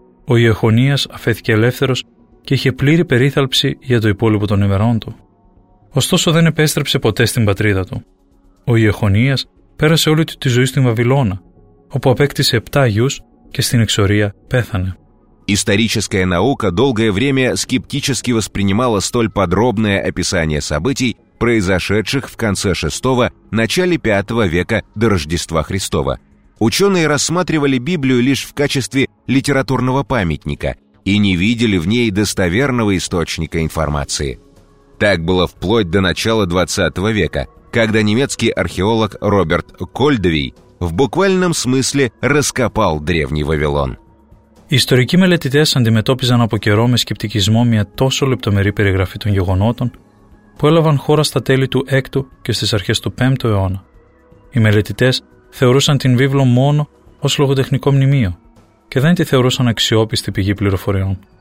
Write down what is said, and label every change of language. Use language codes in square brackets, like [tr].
[el] Ο Ιεχονίας αφέθηκε ελεύθερος και είχε πλήρη περίθαλψη για το υπόλοιπο των ημερών του. Ωστόσο δεν επέστρεψε ποτέ στην πατρίδα του. Ο Ιεχονίας πέρασε όλη τη ζωή στην Βαβυλώνα, όπου απέκτησε 7 γιους και στην εξορία πέθανε. [ru] Историческая наука долгое время скептически воспринимала столь подробное описание событий, произошедших в конце VI – начале V века до Рождества Христова. Ученые рассматривали Библию лишь в качестве литературного памятника и не видели в ней достоверного источника информации. Так было вплоть до начала XX века, когда немецкий археолог Роберт Кольдвей в буквальном смысле раскопал древний Вавилон. [el] Ιστορικοί μελετητές αντιμετώπιζαν από καιρό με σκεπτικισμό μια τόσο λεπτομερή περιγραφή των γεγονότων που έλαβαν χώρα στα τέλη του 6ου και στις αρχές του 5ου αιώνα. Οι μελετητές θεωρούσαν την Βίβλο μόνο ως λογοτεχνικό μνημείο και δεν τη θεωρούσαν αξιόπιστη πηγή πληροφοριών.